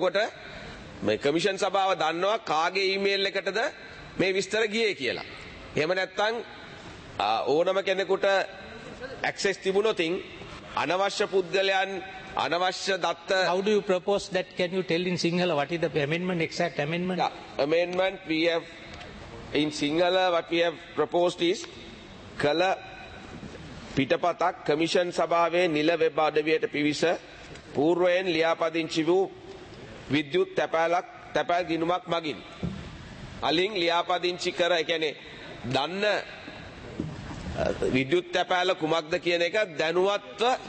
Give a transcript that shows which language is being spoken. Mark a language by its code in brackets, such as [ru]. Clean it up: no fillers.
[si] එතකොට මේ කමිෂන් සභාව දන්නවා කාගේ ඊමේල් එකටද මේ විස්තර ගියේ කියලා. එහෙම නැත්නම් ඕනම කෙනෙකුට ඇක්සස් තිබුණොත් අනවශ්‍ය පුද්ගලයන් අනවශ්‍ය දත්ත [en] How do you propose that? Can you tell in Sinhala what is the amendment, exact amendment? Yeah, amendment we have in Sinhala what we have proposed is [si] කළ පිටපතක් කමිෂන් සභාවේ නිල වෙබ් අඩවියට පිවිස පූර්වයෙන් ලියාපදිංචි වූ විද්‍යුත් තැපෑලක් තැපෑල් ගිණුමක් මගින් අලින් ලියාපදිංචි කර ඒ කියන්නේ දන්න විද්‍යුත් තැපෑල කුමක්ද කියන එක දැනුවත්ව